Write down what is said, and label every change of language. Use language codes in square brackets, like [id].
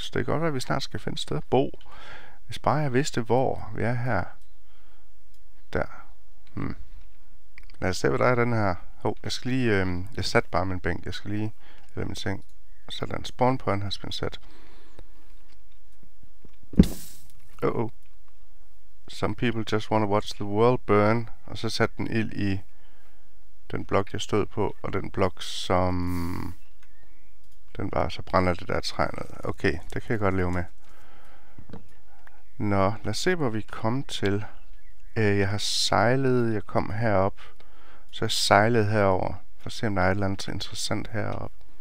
[da] Så det er godt, at vi snart skal finde et sted at bo. Hvis bare jeg vidste, hvor vi er her. Der. Hmm. Lad os se, hvad der er den her. Hov, jeg skal lige... jeg satte bare min bænk. Jeg skal lige... Eller min seng. Så er der en spawn på, den har spændt sat. [en] Some people just want to watch the world burn. [da] Og så satte den ild i den blok, jeg stod på, og den blok, som den bare så brænder det der træ ned. Okay, det kan jeg godt leve med. Nå, lad os se, hvor vi kom til. Jeg har sejlet, jeg kom herop, så jeg sejlede herover for at se, om der er et eller andet interessant herop.